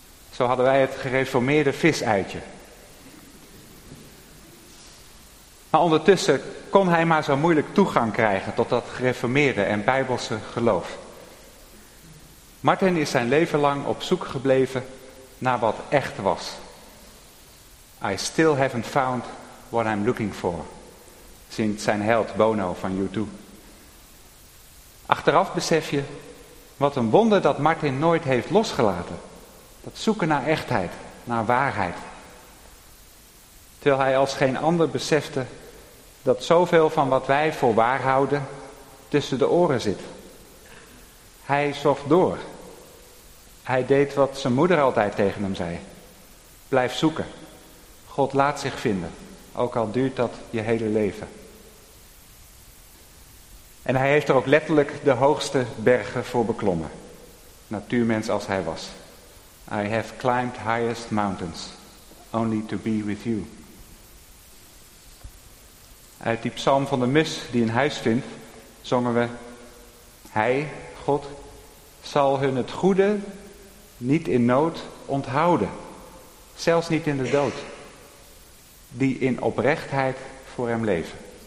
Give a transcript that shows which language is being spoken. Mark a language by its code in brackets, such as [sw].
[nl] Zo hadden wij het gereformeerde visuitje. Maar ondertussen kon hij maar zo moeilijk toegang krijgen tot dat gereformeerde en bijbelse geloof. Martin is zijn leven lang op zoek gebleven naar wat echt was. [en] I still haven't found what I'm looking for, [nl] zingt zijn held Bono van U2. Achteraf besef je wat een wonder dat Martin nooit heeft losgelaten. Dat zoeken naar echtheid, naar waarheid. Terwijl hij als geen ander besefte dat zoveel van wat wij voor waar houden tussen de oren zit. Hij zocht door. Hij deed wat zijn moeder altijd tegen hem zei. Blijf zoeken. God laat zich vinden, ook al duurt dat je hele leven. En hij heeft er ook letterlijk de hoogste bergen voor beklommen. Natuurmens als hij was. [en] I have climbed highest mountains, only to be with you. [nl] Uit die psalm van de mus die een huis vindt, zongen we: Hij, God, zal hun het goede niet in nood onthouden, zelfs niet in de dood, die in oprechtheid voor hem leven.